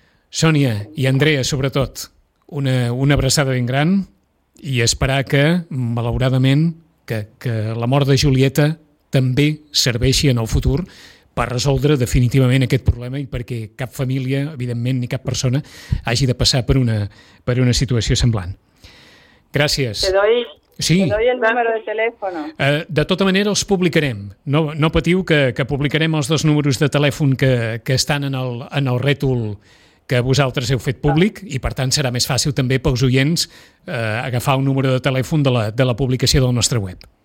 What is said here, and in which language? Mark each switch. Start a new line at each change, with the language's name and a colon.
Catalan: Sònia i Andrea, sobretot, una abraçada ben gran i esperar que, malauradament, que la mort de Julieta també serveixi en el futur per resoldre definitivament aquest problema i perquè cap família, evidentment, ni cap persona hagi de passar per una situació semblant. Gràcies.
Spanish: Te doy el número de teléfono.
Catalan: De tota manera, els publicarem. No patiu que publicarem els dos números de telèfon que estan en el rètol que vosaltres heu fet públic i, per tant, serà més fàcil també pels oients agafar un número de telèfon de la publicació del nostre web.